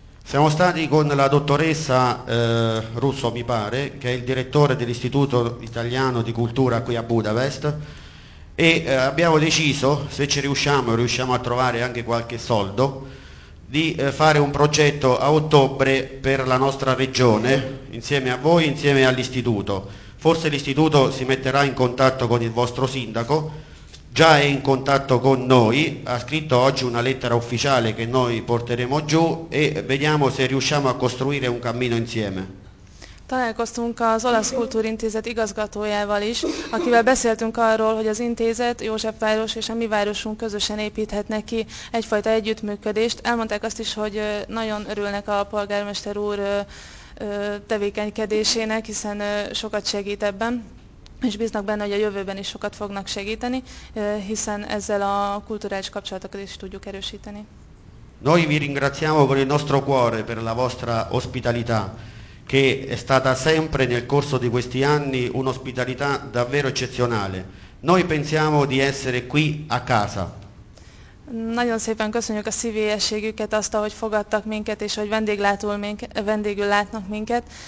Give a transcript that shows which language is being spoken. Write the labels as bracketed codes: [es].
[it] Siamo stati con la dottoressa Russo, mi pare, che è il direttore dell'Istituto Italiano di Cultura qui a Budapest, e abbiamo deciso, se ci riusciamo, riusciamo a trovare anche qualche soldo, di fare un progetto a ottobre per la nostra regione, insieme a voi, insieme all'istituto. Forse l'istituto si metterà in contatto con il vostro sindaco, già è in contatto con noi, ha scritto oggi una lettera ufficiale che noi porteremo giù e vediamo se riusciamo a costruire un cammino insieme. [hu] Találkoztunk az Olasz Kultúrintézet igazgatójával is, akivel beszéltünk arról, hogy az intézet, Józsefváros és a mi városunk közösen építhetnek ki egyfajta együttműködést. Elmondták azt is, hogy nagyon örülnek a polgármester úr tevékenykedésének, hiszen sokat segít ebben, és bíznak benne, hogy a jövőben is sokat fognak segíteni, hiszen ezzel a kulturális kapcsolatokat is tudjuk erősíteni. [it] Noi vi ringraziamo con il nostro cuore per la vostra ospitalità, che è stata sempre nel corso di questi anni un'ospitalità davvero eccezionale. Noi pensiamo di essere qui a casa. [hu] Nagyon szépen köszönjük a szívélyességüket, azt, ahogy fogadtak minket, és hogy vendégül látnak minket.